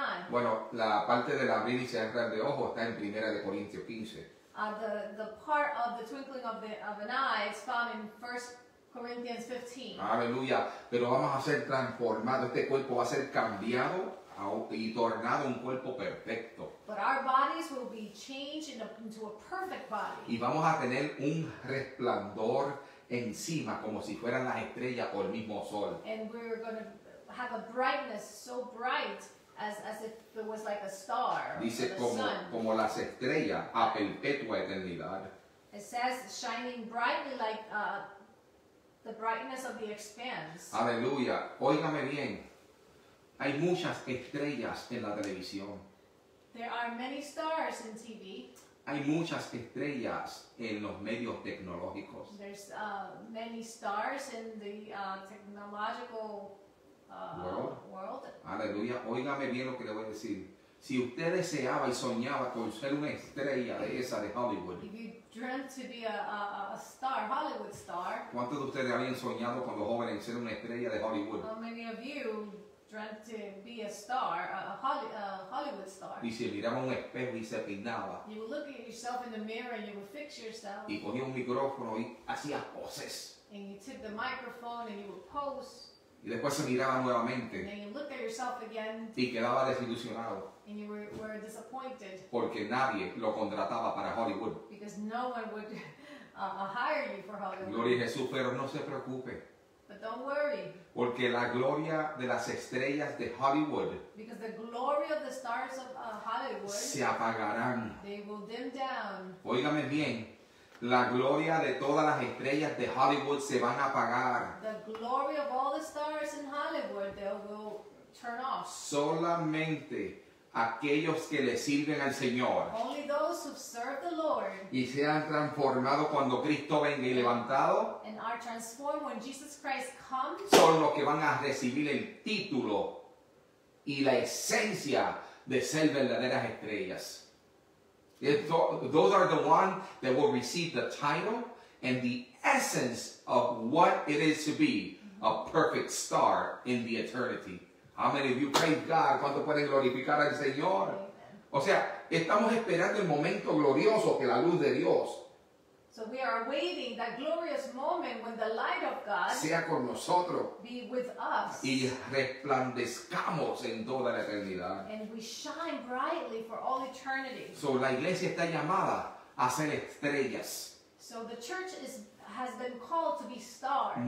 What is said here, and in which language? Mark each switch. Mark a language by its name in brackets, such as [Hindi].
[Spanish] Bueno, la parte del abrir y cerrar de ojos está en 1 Corintios 15. [English] The part of the twinkling of an eye is found in 1 Corinthians 15. [Spanish] Aleluya. Pero vamos a ser transformados. Este cuerpo va a ser cambiado y tornado un cuerpo perfecto. [English] But our bodies will be changed into a perfect body. [Spanish] Y vamos a tener un resplandor encima como si fueran las estrellas o el mismo sol. [English] And we're going to have a brightness so bright as if it was like a star. [Spanish] Dice como las estrellas a perpetua eternidad. [English] It says shining brightly like the brightness of the expanse. [Spanish] Aleluya. Óigame bien. Hay muchas estrellas en la televisión. [English] There are many stars in TV. [Spanish] Hay muchas estrellas en los medios tecnológicos. [English] There's many stars in the technological world. [Spanish] Aleluya. Óigame bien lo que le voy a decir. Si usted deseaba y soñaba con ser una estrella de esa de Hollywood. [English] If you dreamt to be a star, Hollywood star. [Spanish] ¿Cuántos de ustedes habían soñado cuando jóvenes ser una estrella de Hollywood? [English] How many of you dreamt to be a star, Hollywood star? [Spanish] Y si miramos un espejo y se peinaba. [English] You would look at yourself in the mirror and you would fix yourself. [Spanish] Y cogía un micrófono y hacía poses. [English] And you took the microphone and you would pose. [Spanish] Y después se miraba nuevamente. [English] And you looked at yourself again. [Spanish] Y quedaba desilusionado. [English] And you were disappointed. [Spanish] Porque nadie lo contrataba para Hollywood. [English] Because no one would hire you for Hollywood. [Spanish] Gloria a Jesús, pero no se preocupe. [English] But don't worry. [Spanish] Porque la gloria de las estrellas de Hollywood. [English] Because the glory of the stars of Hollywood. [Spanish] Se apagarán. [English] They will dim down. [Spanish] Óigame bien. La gloria de todas las estrellas de Hollywood se van a apagar. [English] The glory of all the stars in Hollywood, they will turn off. [Spanish] Solamente aquellos que le sirven al Señor. [English] Only those who serve the Lord. [Spanish] Y sean transformados cuando Cristo venga y levantado. [English] And are transformed when Jesus Christ comes. [Spanish] Son los que van a recibir el título y la esencia de ser verdaderas estrellas. [English] Those are the ones that will receive the title and the essence of what it is to be a perfect star in the eternity. How many of you praise God? [Spanish] ¿Cuánto pueden glorificar al Señor? [English] Amen. [Spanish] O sea, estamos esperando el momento glorioso que la luz de Dios. [English] So we are waiting that glorious moment when the light of God [Spanish] sea con nosotros. [English] Be with us. [Spanish] Y resplandezcamos en toda la eternidad. [English] And we shine brightly for all eternity. [Spanish] So la iglesia está llamada a ser estrellas. [English] So the church has been called to be stars.